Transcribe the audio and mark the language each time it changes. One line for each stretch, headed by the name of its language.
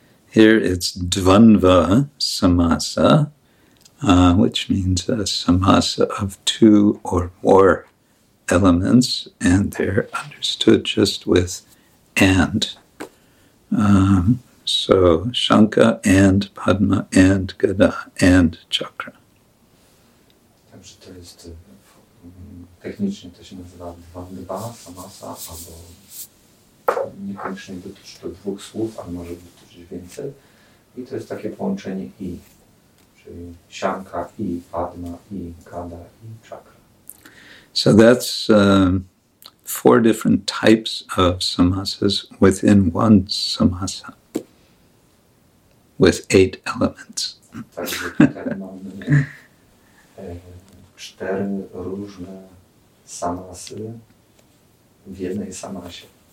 English: Here it's dvandva samasa, which means a samasa of two or more elements, and they're understood just with and. So Shankha and Padma and Gada and Chakra.
Polish: Także to jest technicznie to się nazywa dvandva samasa, albo niekoniecznie dotyczy to dwóch słów, ale może dotyczyć więcej. I to jest takie połączenie i, czyli Shankha i, Padma i, Gada i, Chakra.
English: So that's four different types of samasas within one samasa with eight elements.
Polish: Także tutaj mamy cztery różne samasy w jednej samasie.